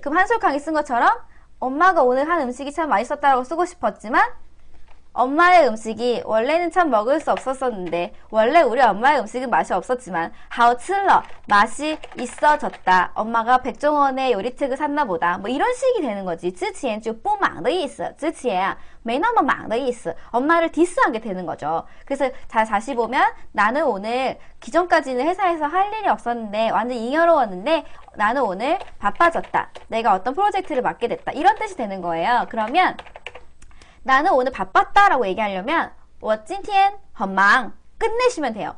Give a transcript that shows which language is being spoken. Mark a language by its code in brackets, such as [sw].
[ko] 그럼 한솔캉이 쓴 것처럼 엄마가 오늘 한 음식이 참 맛있었다라고 쓰고 싶었지만 엄마의 음식이 원래는 참 먹을 수 없었었는데 원래 우리 엄마의 음식은 맛이 없었지만 하우 칠러 맛이 있어졌다. 엄마가 백종원의 요리책을 샀나 보다. 뭐 이런 식이 되는 거지. [zh] 之前 就不忙的意思，之前没那么忙的意思。 [ko] 엄마를 디스하게 되는 거죠. 그래서 다시 보면 나는 오늘 기존까지는 회사에서 할 일이 없었는데 완전 잉여로웠는데 나는 오늘 바빠졌다. 내가 어떤 프로젝트를 맡게 됐다. 이런 뜻이 되는 거예요. 그러면 나는 오늘 바빴다라고 얘기하려면 [zh] 我今天很忙 [ko] 끝내시면 돼요.